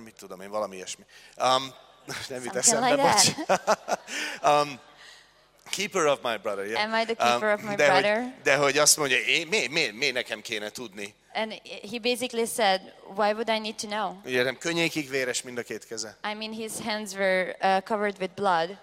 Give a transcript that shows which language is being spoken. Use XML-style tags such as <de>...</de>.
<hu>Mit tudom én, valami ilyesmi. Nem vit eszembe,</hu> <en>like</en> <hu>bocs.</hu> <en>Keeper of my brother. Yeah. Am I the keeper of my brother?</en> <hu>De hogy azt mondja, mi nekem kéne tudni?</hu> <en>And he basically said, why would I need to know?</en> <hu>Igen, könnyékig véres mind a két keze.</hu> <en>I mean, his hands were covered with blood.</en>